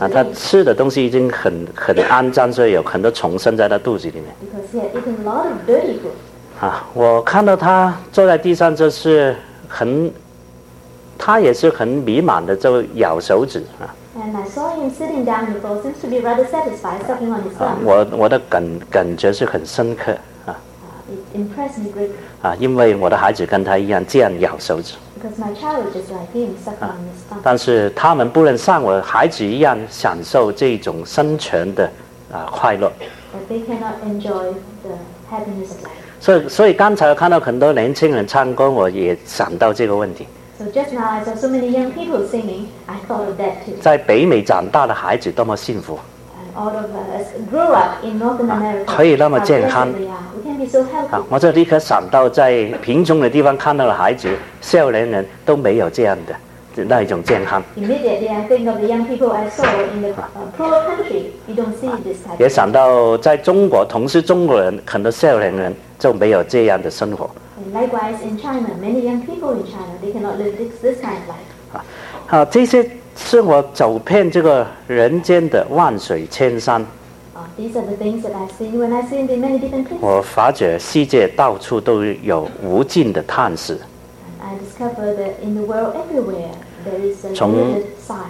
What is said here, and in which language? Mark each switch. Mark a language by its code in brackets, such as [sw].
[zh] 啊，他吃的东西已经很肮脏，所以有很多虫生在他肚子里面。 [en] Because he had eaten a lot of dirty food. [zh] 啊，我看到他坐在地上，就是很，他也是很迷茫的，就咬手指啊。 [en] And I saw him sitting down. He seems to be rather satisfied, sucking on his thumb. [zh] 我的感觉是很深刻啊。 [en] It impressed me greatly. [zh] 啊，因为我的孩子跟他一样这样咬手指。 [en] Because my child was just like him, sucking on his thumb. [zh] 但是他们不能像我孩子一样享受这种生存的快乐。 [en] But they cannot enjoy the happiness of life. [zh] 所以刚才看到很多年轻人唱歌，我也想到这个问题。 [en] So just now I saw so many young people singing, I thought of that too. [zh] 在北美长大的孩子多么幸福。 [en] All of us grew up in Northern America. [zh] 可以那么健康。 [en] We can be so healthy. [zh] 我就立刻想到在贫穷的地方看到的孩子，少年人都没有这样的那一种健康。 [en] Immediately I think of the young people I saw in the poor country. You don't see this type. [zh] 也想到在中国，同是中国人，很多少年人就没有这样的生活。 [en] Likewise, in China, many young people in China, they cannot live this kind of life. [zh] 好，这些是我走遍这个人间的万水千山。 [en] These are the things that I've seen when I've seen the many different places. [zh] 我发觉世界到处都有无尽的探视。 [en] I discover that in the world everywhere there is a limited size.